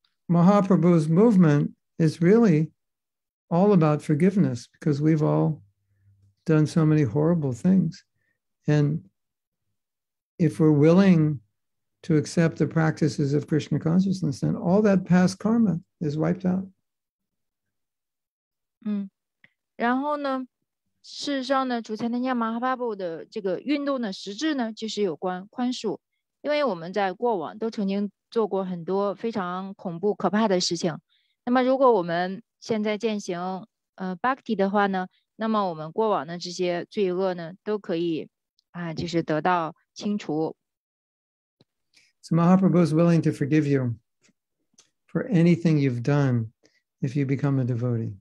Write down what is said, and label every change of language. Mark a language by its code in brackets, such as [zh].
[en] Mahaprabhu's movement is really all about forgiveness because we've all done so many horrible things. And if we're willing to accept the practices of Krishna consciousness, then all that past karma is wiped out. [zh] 然后呢,事实上呢,主持人的运动的实质呢,就是有关宽恕。因为我们在过往都曾经做过很多非常恐怖可怕的事情。那么如果我们现在践行Bhakti的话呢,那么我们过往的这些罪恶呢,都可以就是得到 [en] So Mahaprabhu is willing to forgive you for anything you've done if you become a devotee.